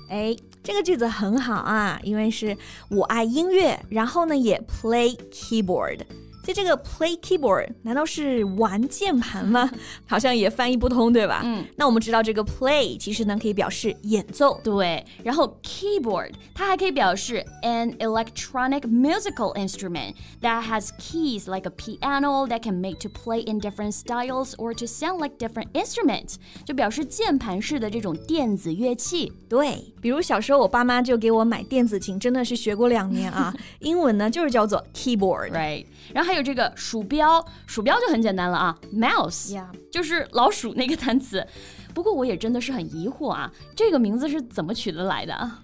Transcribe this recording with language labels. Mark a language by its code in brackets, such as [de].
[zh] 哎，这个句子很好啊，因为是我爱音乐，然后呢也 play keyboard。所以这个 play keyboard 难道是玩键盘吗？好像也翻译不通，对吧？嗯。那我们知道这个 play 其实呢可以表示演奏，对。然后 keyboard 它还可以表示 [en] an electronic musical instrument that has keys like a piano that can make to play in different styles or to sound like different instruments， [zh] 就表示键盘式的这种电子乐器。对，比如小时候我爸妈就给我买电子琴，真的是学过两年啊。英文呢就是叫做 keyboard， [en] right？ [zh] 然后还有这个鼠标，鼠标就很简单了啊 ，mouse、 [en] yeah. [zh] 就是老鼠那个单词。不过我也真的是很疑惑啊，这个名字是怎么取得来的？